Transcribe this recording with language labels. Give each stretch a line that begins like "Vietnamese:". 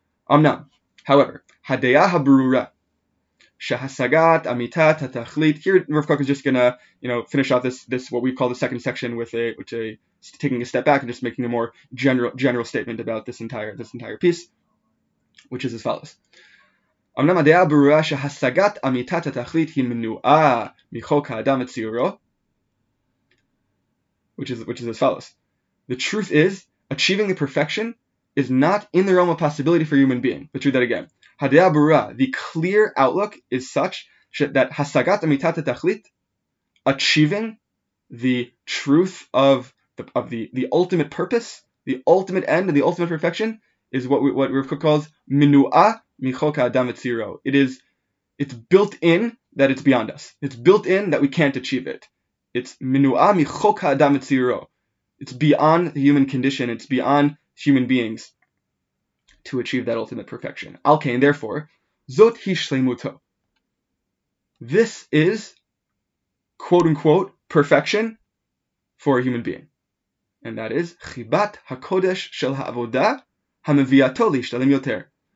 Hebrew: Amnam,
English: however,
Hebrew: hadeya habrura, shahasagat amita tatachlit.
English: Here, Rav Kook is just gonna, you know, finish off this what we call the second section with taking a step back and just making a more general statement about this entire piece, which is as follows.
Hebrew: אמנם הדעה ברורה שהשגת אמיתת התכלית היא מנועה מחוק האדם וציורו,
English: which is as follows. The truth is, achieving the perfection is not in the realm of possibility for human being. Let's read that again.
Hebrew: הדעה ברורה,
English: the clear outlook is such that
Hebrew: השגת אמיתת התכלית,
English: achieving the truth of the ultimate purpose, the ultimate end and the ultimate perfection, is what Rav Kook calls
Hebrew: מנועה מחוק האדם וציורו.
English: It's built in that it's beyond us. It's built in that we can't achieve it. It's
Hebrew: מנועה מחוק האדם וציורו.
English: It's beyond the human condition. It's beyond human beings to achieve that ultimate perfection. Okay, and therefore,
Hebrew: זאת היא שלמותו.
English: This is, quote-unquote, perfection for a human being. And that is
Hebrew: חיבת הקודש של העבודה המביאתו להשתלם יותר.